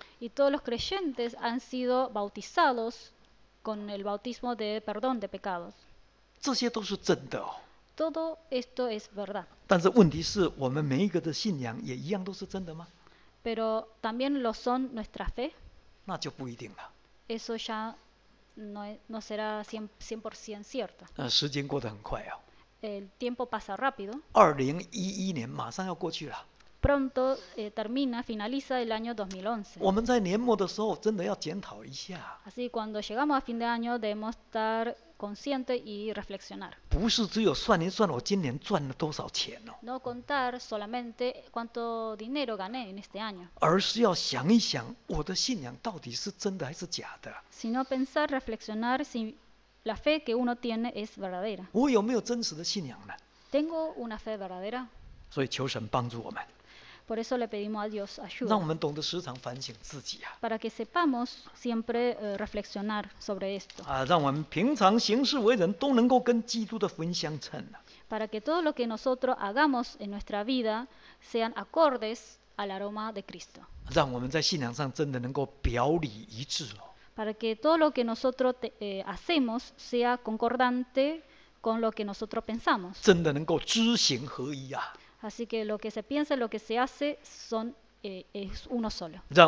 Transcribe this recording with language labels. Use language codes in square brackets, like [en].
[es] y todos los creyentes han sido bautizados con el bautismo de perdón de pecados. [zh] 这些都是真的哦, [es] todo esto es verdad. [zh] 但是问题是我们每一个的信仰也一样都是真的吗? [es] Pero también lo son nuestra fe. [zh] 那就不一定了. [es] Eso ya no, no será 100% cierto. [zh] 时间过得很快啊, [es] el tiempo pasa rápido. [zh] 2011年马上要过去了. [es] Pronto termina, finaliza el año 2011. [zh] 我们在年末的时候真的要检讨一下. [es] Así cuando llegamos a fin de año debemos estar consciente y reflexionar. [zh] 不是只有算一算我今年赚了多少钱哦, [es] no contar solamente cuánto dinero gané en este año, [zh] 而是要想一想我的信仰到底是真的还是假的, [es] sino pensar, reflexionar si la fe que uno tiene es verdadera. [zh] 我有没有真实的信仰呢? [es] Tengo una fe verdadera. [zh] 所以求神帮助我们, [es] por eso le pedimos a Dios ayuda, [zh] 让我们懂得时常反省自己啊, [es] para que sepamos siempre reflexionar sobre esto, [zh] 让我们平常行事为人都能够跟基督的福音相称, [es] para que todo lo que nosotros hagamos en nuestra vida sean acordes al aroma de Cristo, [zh] 让我们在信仰上真的能够表里一致, [es] para que todo lo que nosotros hacemos sea concordante con lo que nosotros pensamos, [zh] 真的能够知行合一啊, [es] así que lo que se piensa y lo que se hace son, es uno solo.